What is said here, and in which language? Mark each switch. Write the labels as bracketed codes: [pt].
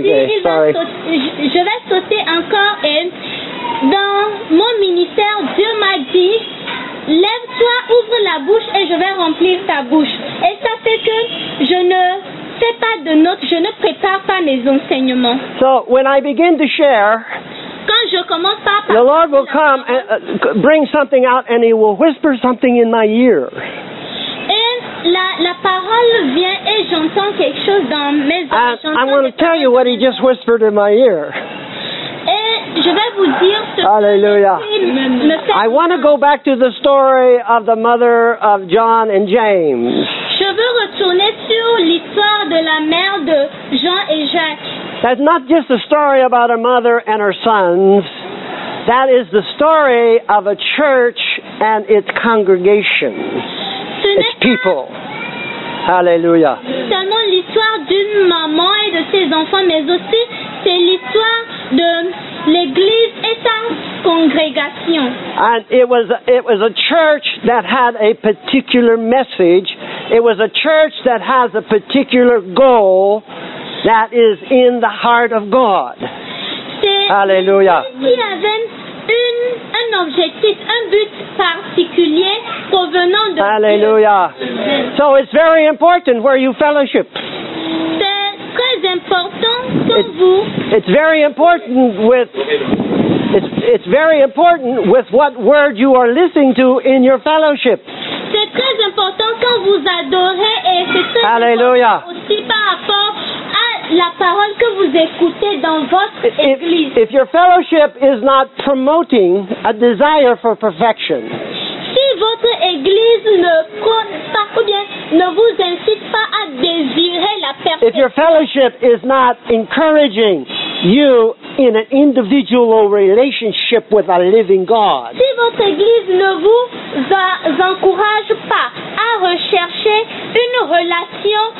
[fr] Je vais sauter encore et dans mon ministère, Dieu m'a dit, lève-toi, ouvre la bouche et je vais remplir ta bouche. Et ça fait que je ne fais pas de notes, je ne prépare pas mes enseignements. [en] So, when I begin to share, [fr] quand je commence à parler, [en] the Lord will come and bring something out and he will whisper something in my ear. [fr] La parole vient et j'entends quelque chose dans mes oreilles. [en] I want to tell you what he just whispered in my ear. [fr] Et je vais vous dire ce Alléluia. [en] I want to go back to the story of the mother of John and James. [fr] Je veux retourner sur l'histoire de la mère de Jean et Jacques. [en] That's not just a story about a mother and her sons. That is the story of a church and its congregation. It's people. Hallelujah. [fr] Seulement l'histoire d'une maman et de ses enfants, mais aussi c'est l'histoire de l'église et sa congrégation. [en] And it was a church that had a particular message. It was a church that has a particular goal that is in the heart of God. [fr] Hallelujah. Un objectif, un but particulier provenant de [en] Alléluia. So it's very important where you fellowship. [fr] C'est très important pour vous. [en] It's very important with what word you are listening to in your fellowship. [fr] C'est très important quand vous adorez et c'est très Alléluia. Important aussi par rapport à la parole que vous écoutez dans votre église. [en] If your fellowship is not promoting a desire for perfection, [fr] si votre église ne compte pas ou bien ne vous incite pas à désirer la perfection, [en] if your fellowship is not encouraging you in an individual relationship with a living God, [fr] si votre église ne vous encourage pas à rechercher une relation